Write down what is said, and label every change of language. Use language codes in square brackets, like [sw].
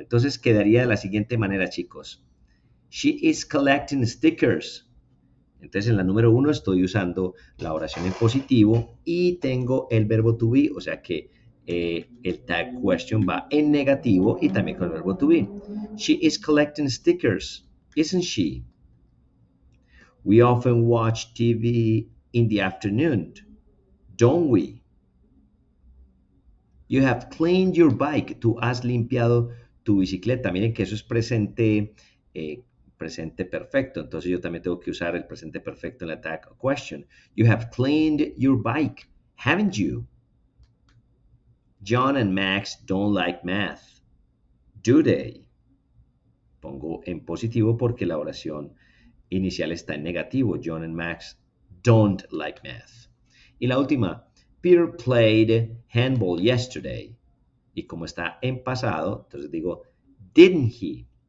[es] Entonces quedaría de la siguiente manera, chicos. [en] She is collecting stickers. [es] Entonces, en la número 1 estoy usando la oración en positivo y tengo el verbo to be, o sea que el tag question va en negativo y también con el verbo to be. [en] She is collecting stickers, isn't she? We often watch TV in the afternoon, don't we? You have cleaned your bike. [es] Tú has limpiado tu bicicleta. Miren que eso es presente. Presente perfecto. Entonces yo también tengo que usar el presente perfecto en la tag question. [en] You have cleaned your bike, haven't you? John and Max don't like math, do they? [es] Pongo en positivo porque la oración inicial está en negativo. [en] John and Max don't like math. [es] Y la última, [en] Peter played handball yesterday. [es] Y como está en pasado, entonces digo, [en] didn't he?